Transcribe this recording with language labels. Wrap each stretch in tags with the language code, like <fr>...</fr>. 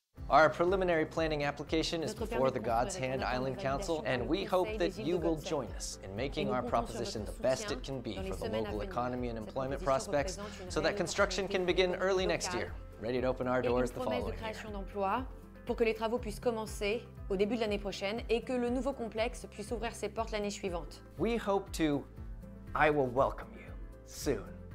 <en>Our preliminary planning application is before the God's Hand Island Council, and we hope that you will join us in making our proposition the best it can be for the local economy and employment prospects so that construction can begin early next year, ready to open our doors the following year.</en> <fr>Pour que les travaux puissent commencer au début de l'année prochaine et que le nouveau complexe puisse ouvrir ses portes l'année suivante.</fr> <en>We hope to I will welcome you soon.</en>